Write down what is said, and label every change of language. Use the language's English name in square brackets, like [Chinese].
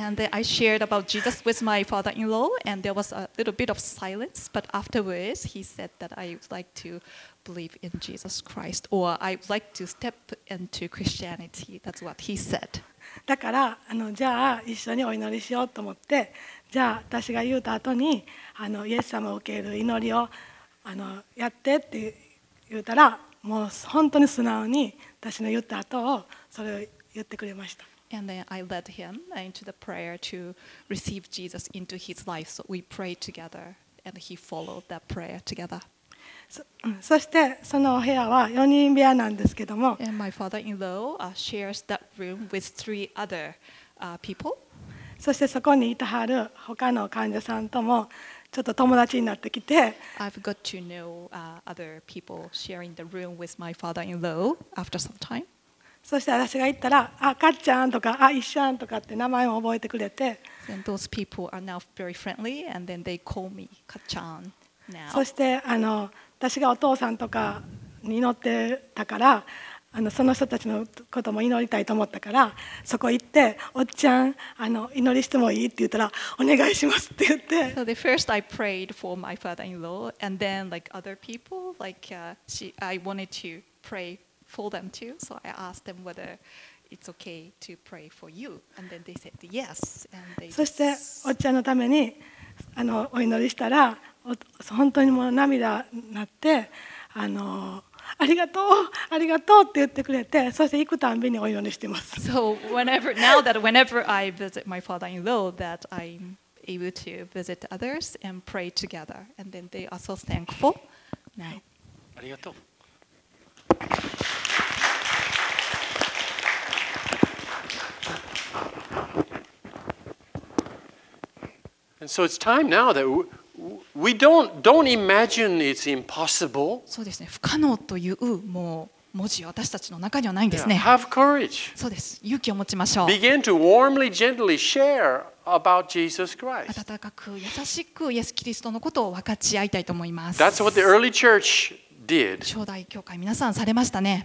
[English] And I shared about Jesus with my father-in-law, and there was a little bit of silence. But afterwards, he said that I would like to believe in Jesus Christ, or I would like to step into Christianity. That's what he said. [Japanese] だからあのじゃあ一緒にお祈りしようと思って、じゃあ私が言った後にあのイエス様を受ける祈りをあのやってって言ったら、もう本当に素直に私の言った後をそれを言ってくれました。 [English] And then I led him into the prayer to receive Jesus into his life. So we prayed together, and he followed that prayer together. [Japanese] そしてそのお部屋は4人部屋なんですけども。 [English] And my father-in-law shares that room with three other people. [Japanese] そしてそこにいたはる他の患者さんともちょっと友達になってきて。 [English] I've got to know other people sharing the room with my father-in-law after some time. [Japanese] そして私が言ったら、あ、かっちゃんとか、あ、いっしゃんとかって名前を覚えてくれて。 [English] And those people are now very friendly, and then they call me かっちゃん now. [Japanese] そして私がお父さんとかに祈ってたから、その人たちのことも祈りたいと思ったから、そこ行って、おっちゃん、祈りしてもいいって言ったら、お願いしますって言って。 [English] So the first I prayed for my father-in-law, and then like other people, like I wanted to pray. For them too, so I asked them whether it's okay to pray for you, and then they said yes. And they. [Japanese] そしておっちゃんのためにお祈りしたら本当にもう涙になってありがとうありがとうって言ってくれてそして行くたんびにお祈りしてます。 [English] So whenever now that whenever I visit my father-in-law, that I'm able to visit others and pray together, and then they are so thankful. Now. [Japanese] ありがとう。 [English] And so it's time now that we don't imagine it's impossible. [Japanese] そうですね。不可能というもう文字私たちの中にはないんですね。 [English] Yeah, have courage. [Japanese] そうです。勇気を持ちましょう。 [English] Begin to warmly, gently share about Jesus Christ. [Japanese] 温かく優しくイエス・キリストのことを分かち合いたいと思います。 [English] That's what the early church did. [Japanese] 初代教会皆さんされましたね。